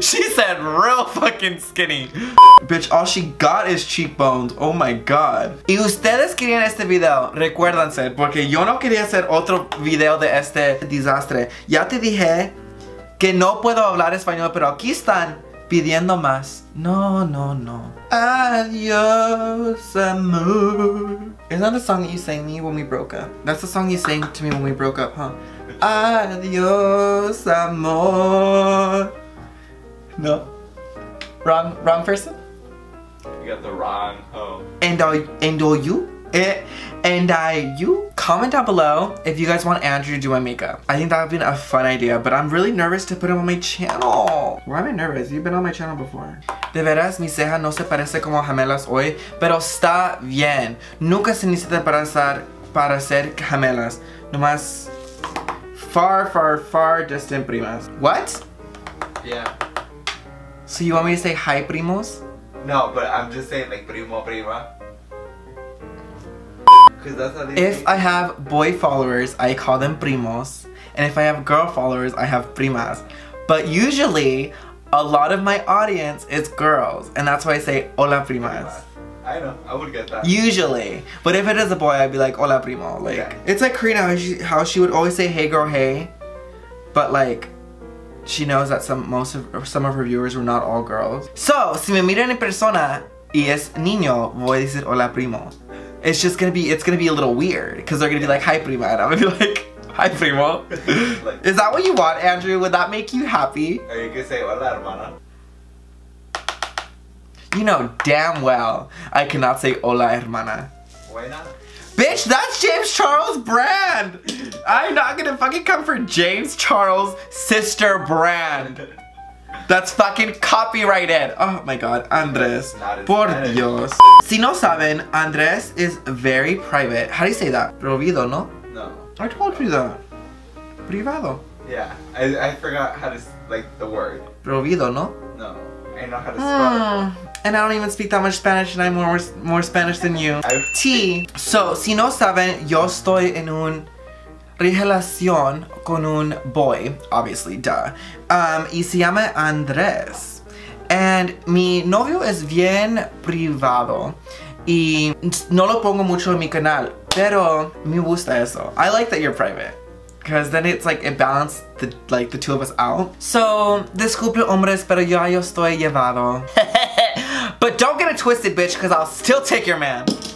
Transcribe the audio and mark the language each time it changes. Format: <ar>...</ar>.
<en>She said real fucking skinny. Bitch, all she got is cheekbones. Oh my God.</en> <es>Y ustedes querían este video, recuérdense, porque yo no quería hacer otro video de este desastre. Ya te dije que no puedo hablar español, pero aquí están pidiendo más. No, no, no. Adios, amor.</es> <en>Isn't that the song that you sang me when we broke up? That's the song you sang to me when we broke up, huh?</en> <es>Adios, amor.</es> <en>No. Wrong person? You got the wrong home. And you? Comment down below if you guys want Andrew to do my makeup. I think that would be a fun idea, but I'm really nervous to put him on my channel. Why am I nervous? You've been on my channel before.</en> <es>De veras, mi ceja no se parece como gemelas hoy, pero está bien. Nunca se necesita para ser gemelas.</es> <en>Nomás far, far, far distant primas. What? Yeah. So you want me to say hi, primos? No, but I'm just saying like primo, prima. If I have boy followers, I call them primos. And if I have girl followers, I have primas. But usually, a lot of my audience is girls. And that's why I say hola primas. I know, I would get that. Usually. But if it is a boy, I'd be like hola primo. Like, yeah. It's like Karina, how she would always say hey girl, hey. But like, she knows that some of her viewers were not all girls.</en> <es>So, si me miran en persona y es niño, voy a decir hola primo.</es> <en>It's just gonna be, it's gonna be a little weird because they're gonna be like, hi, prima. And I'm gonna be like, hi, primo. Like, is that what you want, Andrew? Would that make you happy? Or you could say,</en> <es>hola, hermana.</es> <en>You know damn well I cannot say,</en> <es>hola, hermana.</es> <en>Why not? Bitch, that's James Charles brand. I'm not gonna fucking come for James Charles' sister brand. That's fucking copyrighted. Oh my God, Andres.</en> <es>Por Dios. Si no saben,</es> <en>Andres is very private. How do you say that?</en> <es>Prohibido, no?</es> <en>No. I told you that. Privado. Yeah, I forgot how to, like, the word. Prohibido, no? No, I know how to spell it. And I don't even speak that much Spanish and I'm more Spanish than you.</en> <es>So, si no saben, yo estoy en un relación con un boy,</es> <en>obviously, duh.</en> <es>Y se llama Andrés. And mi novio es bien privado. Y no lo pongo mucho en mi canal. Pero me gusta eso.</es> <en>I like that you're private. Because then it's like, it balanced the, like, the two of us out.</en> <es>So, disculpe hombres, pero ya yo estoy llevado.</es> <en>But don't get it twisted, bitch, because I'll still take your man.</en>